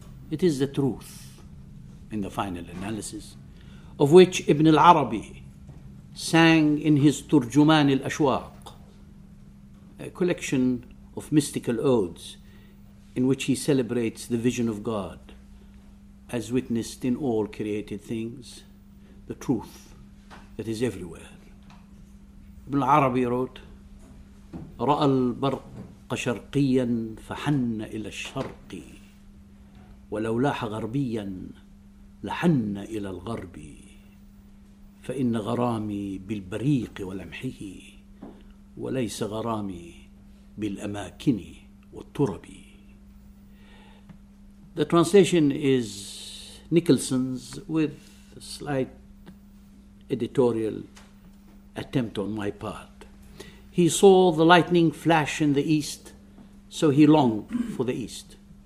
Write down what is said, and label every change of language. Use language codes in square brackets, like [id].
[en] It is the truth, in the final analysis, of which Ibn al-Arabi sang in his Turjuman al-Ashwaq, a collection of mystical odes in which he celebrates the vision of God as witnessed in all created things, the truth that is everywhere. [ar] Ibn al-Arabi wrote, رأى البرق شرقيا فحن إلى الشرق ولو لاح غربيا لحن إلى الغرب فإن غرامي بالبريق ولمحه وليس غرامي بالأماكن والترب. [en] The translation is Nicholson's with a slight editorial attempt on my part. He saw the lightning flash in the east, so he longed for the east.